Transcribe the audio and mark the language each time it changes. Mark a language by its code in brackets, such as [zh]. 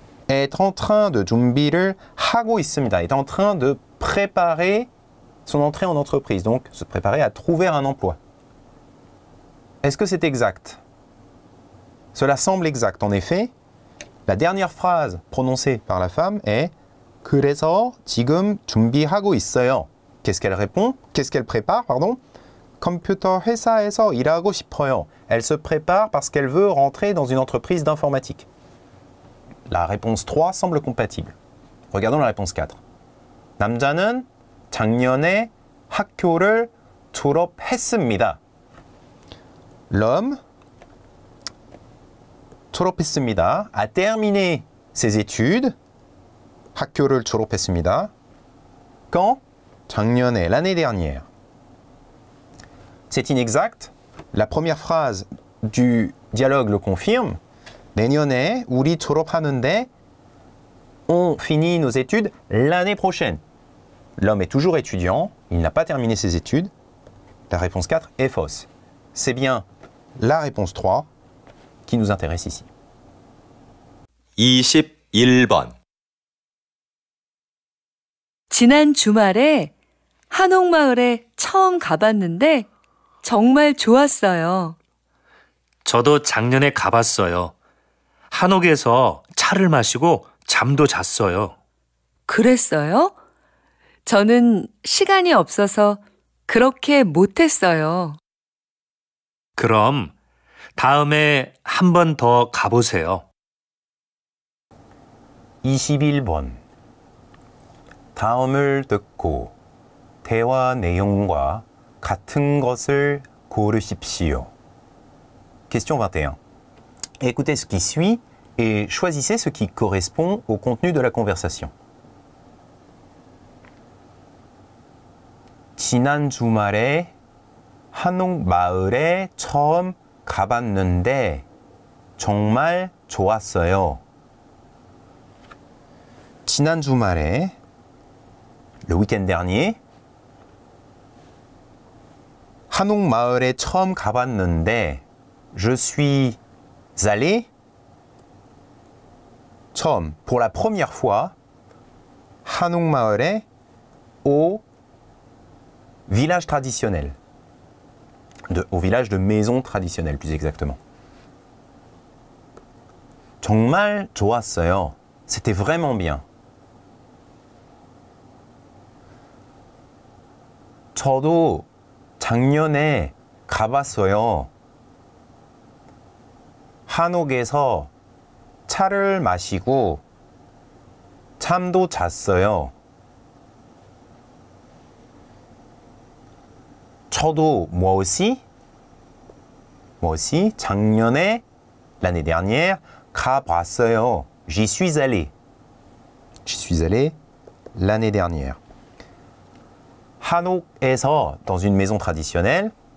[fr] Être en train de [ko] 준비를 하고 있습니다. [fr] Être en train de préparer son entrée en entreprise, donc se préparer à trouver un emploi. Est-ce que c'est exact? Cela semble exact. En effet, la dernière phrase prononcée par la femme est [ko] 그래서 지금 준비하고 있어요. [fr] Qu'est-ce qu'elle répond? Qu'est-ce qu'elle prépare, pardon? [ko] 컴퓨터 회사에서 일하고 싶어요. [fr] Elle se prépare parce qu'elle veut rentrer dans une entreprise d'informatique. La réponse 3 semble compatible. Regardons la réponse 4. [ko] 남자는 작년에 학교를 졸업했습니다. [fr] L'homme [ko] 졸업했습니다. [fr] A terminé ses études. [ko] 학교를 졸업했습니다. [fr] Quand? [ko] 작년에, [fr] l'année dernière. C'est inexact. La première phrase du dialogue le confirme. [ko] 내년에 우리 졸업하는데 [fr] on finit nos études l'année prochaine. L'homme est toujours étudiant, il n'a pas terminé ses études. La réponse 4 est fausse. C'est bien la réponse 3 qui nous intéresse ici. [ko] 21번 지난 주말에 한옥마을에 처음 가봤는데 정말 좋았어요. 저도 작년에 가봤어요. 한옥에서 차를 마시고 잠도 잤어요. 그랬어요? 저는 시간이 없어서 그렇게 못했어요. 그럼 다음에 한 번 더 가보세요. 21번 다음을 듣고 대화 내용과 같은 것을 고르십시오. [fr] Question 21. Écoutez ce qui suit et choisissez ce qui correspond au contenu de la conversation. [ko] 지난 주말에 한옥 마을에 처음 가봤는데 정말 좋았어요. 지난 주말에 [fr] le week-end dernier [ko] 한옥 마을에 처음 가봤는데 [fr] je suis allé [ko] 처음 [fr] pour la première fois [ko] 한옥 마을에 [fr] au village traditionnel, au village de maison traditionnelle, plus exactement. [ko] 정말 좋았어요. [fr] C'était vraiment bien. [ko] 저도 작년에 가봤어요. 한옥에서 차를 마시고 잠도 잤어요. 저도 [fr] moi aussi, [ko] 작년에, [fr] l'année dernière, [ko] 가봤어요. [fr] J'y suis allé, l'année dernière. [ko] 한옥에서, [fr] dans une maison traditionnelle,